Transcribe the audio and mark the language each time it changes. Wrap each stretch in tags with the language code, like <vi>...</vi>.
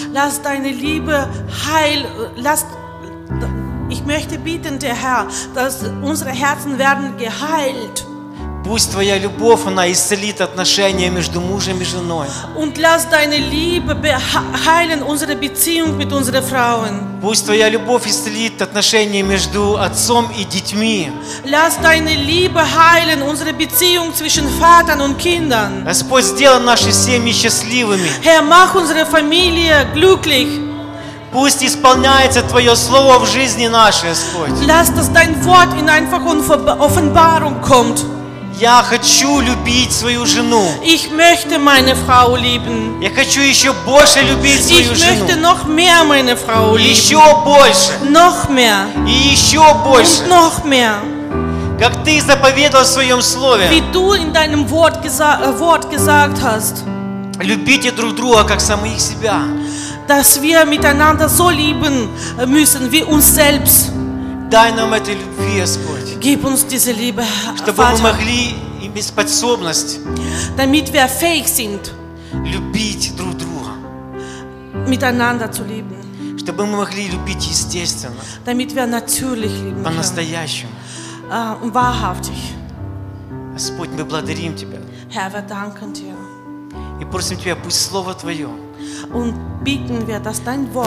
<de>Lass deine Liebe heil, lass Ich möchte bitten, der Herr, dass unsere Herzen werden geheilt.</de> <ru>Пусть твоя любовь, она исцелит отношения между мужем и женой.</ru> <de>Und lass deine Liebe heilen unsere Beziehung mit unseren Frauen.</de> <ru>Пусть твоя любовь исцелит отношения между отцом и детьми.</ru> <de>Lass deine Liebe heilen unsere Beziehung zwischen Vätern und Kindern.</de> <ru>Господь, сделай наши семьи счастливыми.</ru> <de>Herr, mach unsere Familie glücklich.</de> <ru>Пусть исполняется Твое Слово в жизни нашей, Господь.</ru> <de>Lass, dass dein Wort in einfacher Offenbarung kommt.</de> <ru>Я хочу любить свою жену.</ru> <de>Ich möchte meine Frau lieben.</de> <ru>Я хочу еще больше любить свою жену.</ru> <de>Ich möchte noch mehr meine Frau lieben.</de> <ru>Еще больше.</ru> <de>Noch mehr.</de> <ru>И еще больше.</ru> <de>Und noch mehr.</de> <ru>Как ты заповедовал в своем слове.</ru> <de>Wie du in deinem Wort gesagt hast.</de> <ru>Любите друг друга как самих себя.</ru> <de>Dass wir miteinander so lieben müssen wie uns selbst.</de> <ru>Дай нам этой любви, Господь.</ru> <de>Gib uns diese Liebe,</de> <ru>чтобы</ru> <de>Vater,</de> <ru>мы могли иметь способность</ru> <de>damit wir fähig sind,</de> <ru>любить друг друга.</ru> <de>Miteinander zu lieben,</de> <ru>чтобы мы могли любить естественно.</ru> <de>Damit wir natürlich lieben</de> <ru>по-настоящему.</ru> <de>Wahrhaftig.</de> <ru>Господь, мы благодарим Тебя.</ru> <de>Herr, wir danken dir.</de> <ru>И просим Тебя, пусть Слово Твое,</ru> <de>und bitten wir, dass dein Wort,</de>